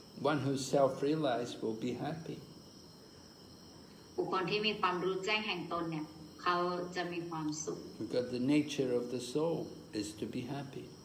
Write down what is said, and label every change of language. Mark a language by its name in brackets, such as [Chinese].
[English] One who's self-realized will be happy. [Thai] บุคคลที่มีความรู้แจ้งแห่งตนเนี่ยเขาจะมีความสุข [English] Because the nature of the soul is to be happy.